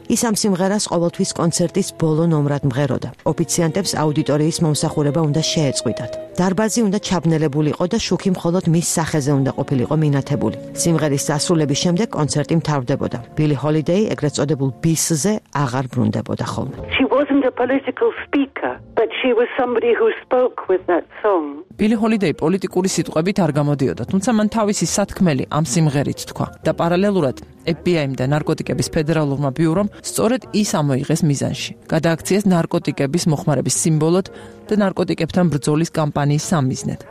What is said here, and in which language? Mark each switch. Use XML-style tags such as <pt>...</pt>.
<ka>ის ამ სიმღერას ყოველთვის კონცერტის ბოლო ნომრად მღეროდა. ოფიციანტებს აუდიტორიის მომსახურება უნდა შეეწყვიტათ. დარბაზი უნდა ჩაბნელებულიყო და შუქი მხოლოდ მის სახეზე უნდა ყოფილიყო მინათებული. სიმღერის დასრულების შემდეგ კონცერტი მთავრდებოდა. ბილი ჰოლიდეი, ეგრეთ წოდებულ ბისზე, აღარ ბრუნდებოდა ხოლმე.</ka> <en>Wasn't a political speaker, but she was somebody who spoke with that song.</en> <ka>Billie Holiday პოლიტიკური სიტყვებით არ გამოდიოდა, თუმცა მან თავისი სათქმელი ამ სიმღერით თქვა. და პარალელურად FBI-მ და ნარკოტიკების ფედერალურმა ბიურომ სწორედ ის ამოიღეს მიზანში. გადააქციეს ნარკოტიკების მოხმარების სიმბოლოდ და ნარკოტიკებთან ბრძოლის კამპანიის სამიზნედ.</ka>